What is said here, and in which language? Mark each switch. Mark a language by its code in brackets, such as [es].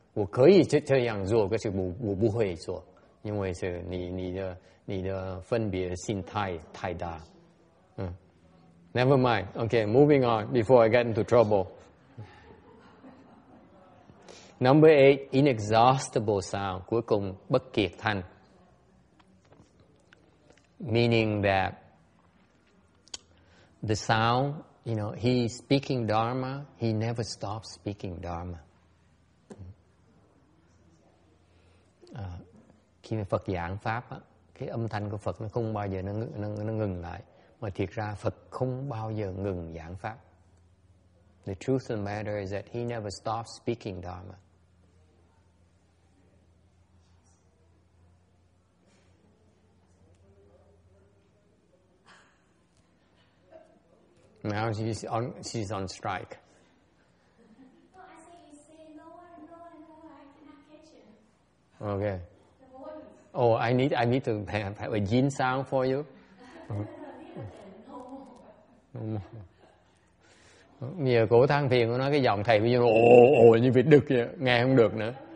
[zh] 我可以这样做，可是我不会做，因为是你的分别心太大。 [en] Never mind. Okay, moving on before I get into trouble. Number 8, inexhaustible sound, [zh] 国公不解叹。 [en] Meaning that the sound, you know, he's speaking Dharma, he never stops speaking Dharma. [vi] Khi mà Phật giảng pháp á, cái âm thanh của Phật nó không bao giờ nó ngừng lại, mà thiệt ra Phật không bao giờ ngừng giảng pháp. [en] The truth of the matter is that he never stops speaking Dharma. Now she's on strike. Okay. Oh, I need to have a yin sound for you. [vi] Giờ cổ than phiền nó nói cái giọng thầy bây giờ ồ như vịt đực vậy, nghe không được nữa.